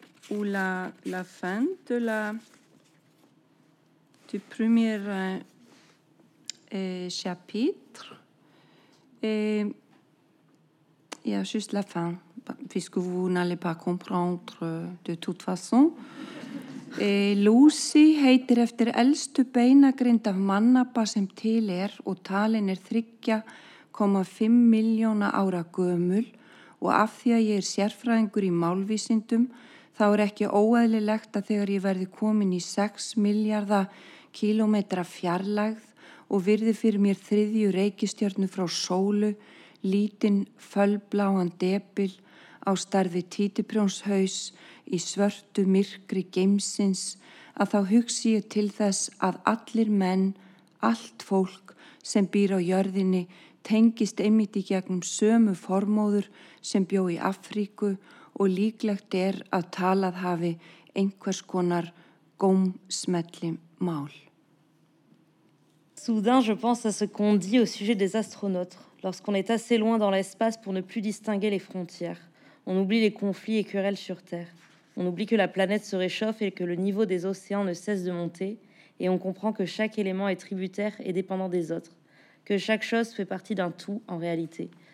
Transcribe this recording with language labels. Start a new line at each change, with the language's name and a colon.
French: Ou la fin de la du premier chapitre. Et il y a juste la fin, puisque vous n'allez pas comprendre de toute façon.
Icelandic: Et Lucy heitir eftir elstu beinagrind af mannapa sem til er og talin er 3,5 miljóna ára gömul og af því að ég sérfræðingur í málvísindum þá ekki óeðlilegt að þegar ég verði komin í 6 miljarda kílómetra fjarlægð og virði fyrir mér þriðju reikistjörnu frá sólu, lítinn fölbláan depil á starfi títiprjónshaus í svörtu myrkri geimsins að þá hugsi ég til þess að allir menn, allt fólk sem býr á jörðinni tengist einmitt í gegnum sömu formóður sem bjó í Afríku og líklegt að talað hafi einhvers konar gómsmelli mál.
French: Soudain, je pense à ce qu'on dit au sujet des astronautes, lorsqu'on est assez loin dans l'espace pour ne plus distinguer les frontières. On oublie les conflits et querelles sur Terre. On oublie que la planète se réchauffe et que le niveau des océans ne cesse de monter. Et on comprend que chaque élément est tributaire et dépendant des autres. Que chaque chose fait partie d'un tout, en réalité.